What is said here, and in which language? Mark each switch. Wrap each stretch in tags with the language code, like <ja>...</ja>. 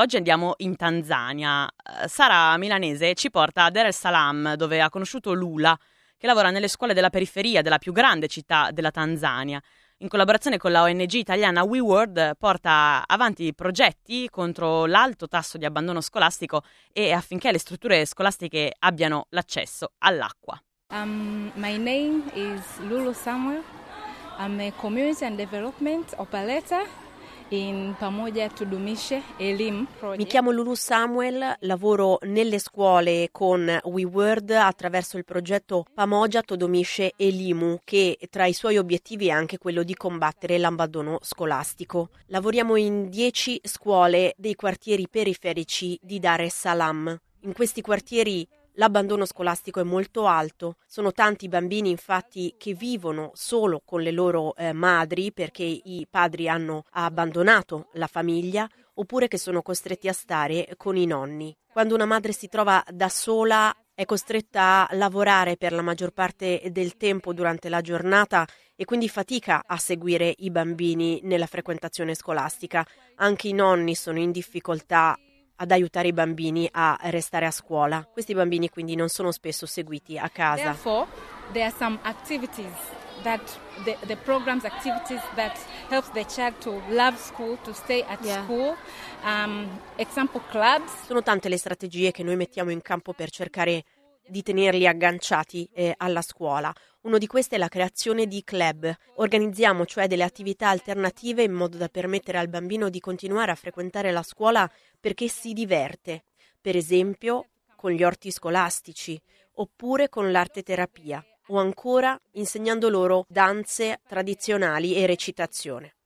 <it>Oggi andiamo in Tanzania. Sara, milanese, ci porta a Dar es Salaam, dove ha conosciuto Lula, che lavora nelle scuole della periferia della più grande città della Tanzania. In collaborazione con la ONG italiana WeWord, porta avanti progetti contro l'alto tasso di abbandono scolastico e affinché le strutture scolastiche abbiano l'accesso all'acqua.</it> <en>My name is Lulu Samuel. I'm a community and development operator in Pamoja Tudumishe Elim</en> <it>Project. Mi chiamo Lulu Samuel, lavoro nelle scuole con WeWord attraverso il progetto Pamoja Tudumishe Elimu, che tra i suoi obiettivi è anche quello di combattere l'abbandono scolastico. Lavoriamo in 10 scuole dei quartieri periferici di Dar es Salaam. In questi quartieri l'abbandono scolastico è molto alto, sono tanti i bambini infatti che vivono solo con le loro madri perché i padri hanno abbandonato la famiglia, oppure che sono costretti a stare con i nonni. Quando una madre si trova da sola è costretta a lavorare per la maggior parte del tempo durante la giornata e quindi fatica a seguire i bambini nella frequentazione scolastica. Anche i nonni sono in difficoltà ad aiutare i bambini a restare a scuola. Questi bambini quindi non sono spesso seguiti a casa.</it> <en>Therefore, there are some activities that the programs activities that help the child to love school, to stay at school. Example clubs.</en> <it>Sono tante le strategie che noi mettiamo in campo per cercare di tenerli agganciati alla scuola. Uno di questi è la creazione di club. Organizziamo cioè delle attività alternative in modo da permettere al bambino di continuare a frequentare la scuola perché si diverte, per esempio con gli orti scolastici, oppure con l'arte terapia, o ancora insegnando loro danze tradizionali e recitazione.</it>